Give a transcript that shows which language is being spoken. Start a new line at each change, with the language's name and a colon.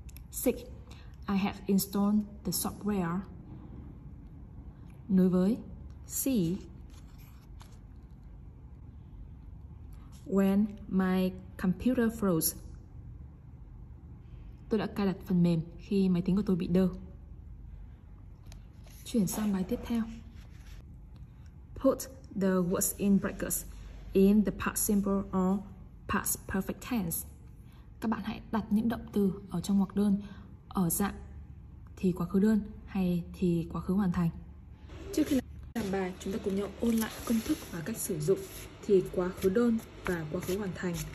English: 6. I have installed the software.
Vietnamese: Nối với C,
English: When my computer froze.
Vietnamese: Tôi đã cài đặt phần mềm khi máy tính của tôi bị đơ. Chuyển sang bài tiếp theo.
English: Put the words in brackets in the past simple or past perfect tense.
Vietnamese: Các bạn hãy đặt những động từ ở trong ngoặc đơn ở dạng thì quá khứ đơn hay thì quá khứ hoàn thành. Trước khi làm bài, chúng ta cùng nhau ôn lại công thức và cách sử dụng thì quá khứ đơn và quá khứ hoàn thành.